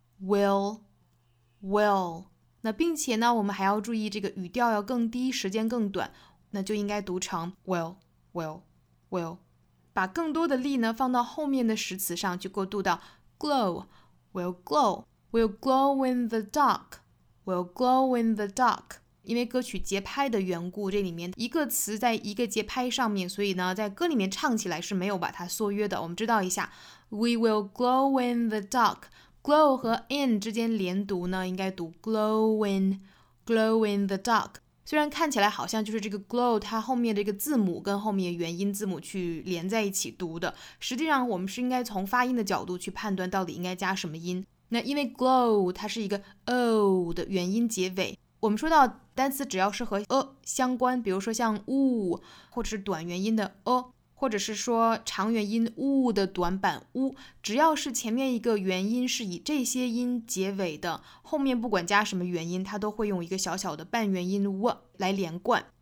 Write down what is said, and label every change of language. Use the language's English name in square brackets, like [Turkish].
[Chinese] will， 那并且呢，我们还要注意这个语调要更低，时间更短，那就应该读成 will， 把更多的力呢放到后面的实词上，就过渡到 glow， will glowWe'll glow in the dark, we'll glow in the dark. 因为歌曲节拍的缘故，这里面一个词在一个节拍上面，所以呢，在歌里面唱起来是没有把它缩约的。 [English] 我们知道一下 ,We will glow in the dark. [Chinese] Glow 和 in 之间连读呢，应该读 glow in the dark. 虽然看起来好像就是这个 glow 它后面的这个字母跟后面元音字母去连在一起读的，实际上我们是应该从发音的角度去判断到底应该加什么音。那因为 glow 它是一个 o 的元音结尾，我们说到单词只要是和 a 相关，比如说像 u 或者是短元音的 a， 或者是说长元音 u 的短版 u， 只要是前面一个元音是以这些音结尾的，后面不管加什么元音，它都会用一个小小的半元音 w 来连贯。